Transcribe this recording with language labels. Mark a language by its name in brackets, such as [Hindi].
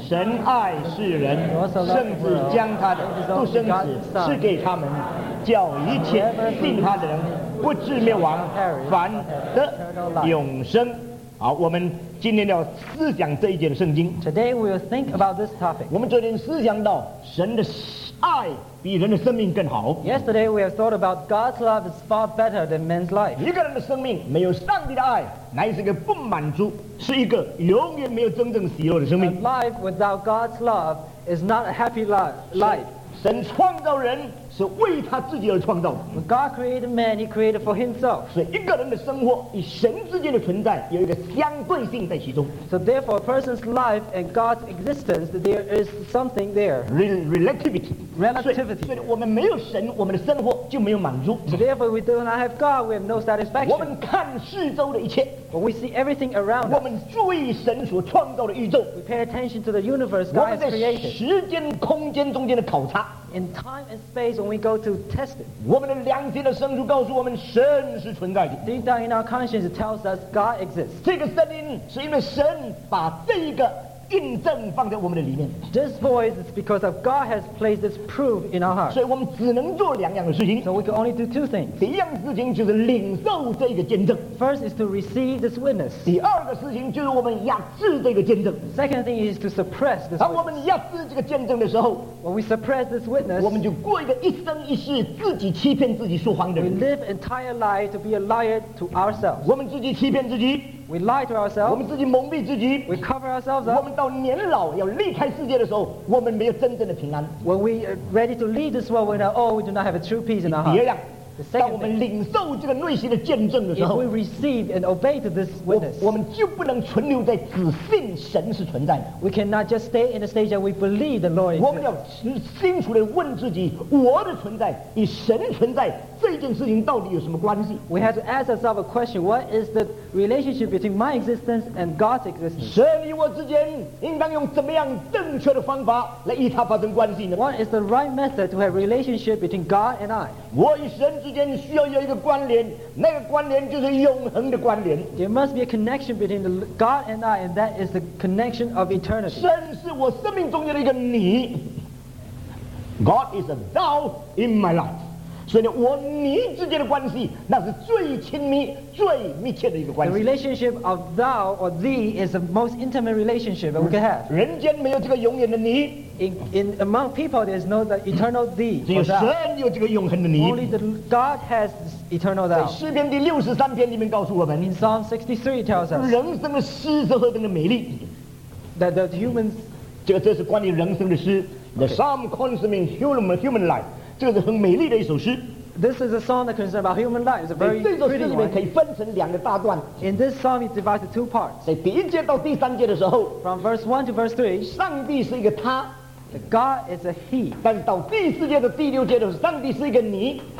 [Chinese] 神爱世人，甚至将他的独生子赐给他们，叫一切信他的人不至灭亡，反得永生。好，我们今天要思想这一节的圣经。 [English] Today we will think about this topic. [Chinese] 我们昨天思想到神的爱比人的生命更好。 [English] Yesterday we have thought about God's love is far better than man's life. [Chinese] 一个人的生命没有上帝的爱，乃是一个不满足，是一个永远没有真正喜乐的生命。 [English] A life without God's love is not a happy life. [Chinese] 神创造人是为他自己而创造的。 [English] When God created man, He created for Himself. [Chinese] 所以一个人的生活与神之间的存在有一个相对性在其中。 [English] So therefore, a person's life and God's existence, there is something there. Relativity. Relativity. [Chinese] 所以我们没有神，我们的生活就没有满足。 [English] So therefore, we do not have God, we have no satisfaction. [Chinese] 我们看四周的一切。 [English] But we see everything around us. [Chinese] 我们注意神所创造的宇宙。 [English] We pay attention to the universe God has created. [Chinese] 我们在时间空间中间的考察。 [English] In time and space, when we go to test it, [Chinese] 我们的良心的深处告诉我们神是存在的。 [English] Deep down in our conscience, it tells us God exists. [Chinese] 这个声音是因为神把这一个印证放在我们的里面。 [English] This voice is because of God has placed this proof in our heart. [Chinese] 所以我们只能做两样的事情。 [English] So we can only do two things. [Chinese] 第一样事情就是领受这个见证。 [English] First is to receive this witness. [Chinese] 第二个事情就是我们压制这个见证。 [English] Second thing is to suppress this. [Chinese] 当我们压制这个见证的时候 [English] ，When we suppress this witness, [Chinese] 我们就过一个一生一世自己欺骗自己说谎的人。 [English] We live entire life to be a liar to ourselves. [Chinese] 我们自己欺骗自己。 [English] We lie to ourselves. [Chinese] 我们自己蒙蔽自己。 [English] We cover ourselves up. [Chinese] 我们到年老要离开世界的时候，我们没有真正的平安。 [English] When we are ready to leave this world, we know, oh, we do not have a true peace in our heart. [Chinese] 别样。当我们领受这个内心的见证的时候 [English] ，If we receive and obey to this witness, [Chinese] 我们就不能存留在只信神是存在的。 [English] We cannot just stay in the stage that we believe the Lord. [Chinese] 我们要清楚地问自己，我的存在与神存在这件事情到底有什么关系 [English] ？We have to ask ourselves a question: What is the relationship between my existence and God's existence? [Chinese] 神与我之间应当用怎么样正确的方法来与他发生关系呢 [English] ？What is the right method to have relationship between God and I? [Chinese] 我与神之间需要有一个关联，那个关联就是永恒的关联。 [English] There must be a connection between the God and I, and that is the connection of eternity. [Chinese] 神是我生命中间的一个你。 [English] God is a thou in my life. [Chinese] 所以我你之间的关系，那是最亲密、最密切的一个关系。 [English] The relationship of thou or thee is the most intimate relationship that we can have. [Chinese] 人间没有这个永远的你。 [English] In among people, there is no the eternal thee. [Chinese] 只有神有这个永恒的你。 [English] Only the God has this eternal thou. [Chinese] 在诗篇第六十三篇里面告诉我们。 [English] In Psalm 63 tells us. [Chinese] 人生的诗是何等的美丽。 [English] That the humans. [Chinese] 这是关于人生的诗。 [English] The psalm concerning human life. [Chinese] 这是很美丽的一首诗。 [English] This is a song that concerns about human life. It's a very pretty one. [Chinese] 这首诗里面可以分成两个大段。 [English] In this psalm, it's divided two parts. [Chinese] 在第一节到第三节的时候 [English] ，from verse 1 to verse 3, [Chinese] 上帝是一个他 [English] ，God is a he. [Chinese] 但到第四节到第六节的时候，上帝是一个你